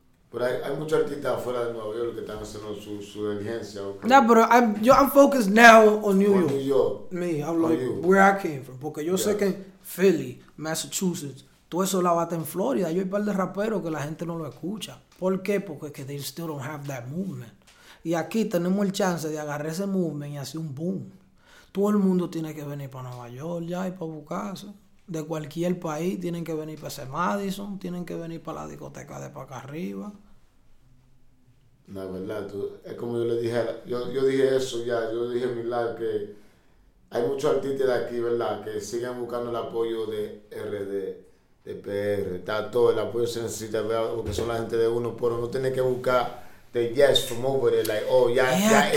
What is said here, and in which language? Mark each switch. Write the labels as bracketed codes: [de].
[es] Pero hay muchos artistas afuera de Nueva York que están haciendo su diligencia. [en] No, okay. Yeah, pero I'm focused now on New York. New York. Me, I'm like, you. Where I came from. [es] Porque yo sé que en Philly, Massachusetts, todo eso la bate en Florida. Yo hay un par de raperos que la gente no lo escucha. ¿Por qué? Porque es que [en] they still don't have that movement. [es] Y aquí tenemos el chance de agarrar ese movement y hacer un boom. Todo el mundo tiene que venir para Nueva York ya y para buscarse. de cualquier país tienen que venir para ese Madison, tienen que venir para la discoteca de para acá arriba. No, es verdad, tú, es como yo le dije, yo dije eso ya, yo dije en mi live que hay muchos artistas de aquí, ¿verdad?, que siguen buscando el apoyo de RD, de PR, está todo, el apoyo se necesita, ¿verdad?, porque son la gente de uno, pero no tiene que buscar de [en] yes from over there, like, oh, [es] ya, es ya aquí.